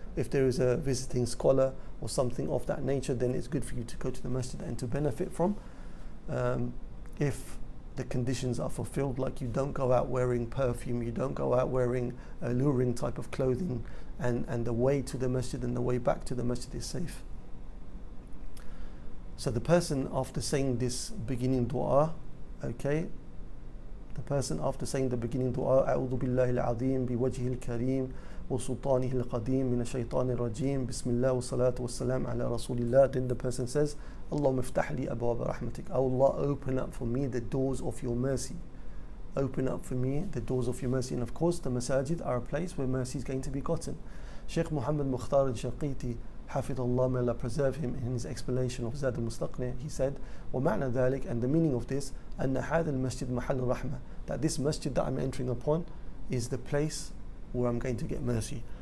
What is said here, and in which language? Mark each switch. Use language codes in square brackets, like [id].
[en] If there is a visiting scholar or something of that nature, then it's good for you to go to the masjid and to benefit from. If the conditions are fulfilled, like you don't go out wearing perfume, you don't go out wearing alluring type of clothing, and the way to the masjid and the way back to the masjid is safe. So the person, after saying this beginning dua, [ar] okay, the person after saying the beginning dua, أعوذ بالله العظيم بوجه الكريم وسلطانه القديم من الشيطان الرجيم بسم الله والصلاة والسلام على رسول الله. [en] Then the person says, [ar] اللهم افتح لي أبواب رحمتك. [en] Oh Allah, open up for me the doors of your mercy. Open up for me the doors of your mercy. And of course, the masajid are a place where mercy is going to be gotten. Sheikh Muhammad Mukhtar al-Shaqiti, [ar] حفظ الله, [en] may Allah preserve him, in his explanation of Zad al-Mustaqni, he said, [ar] ومعنى ذلك, [en] and the meaning of this, [ar] أن هذا المسجد محل الرحمة, [en] that this masjid that I'm entering upon is the place where I'm going to get mercy.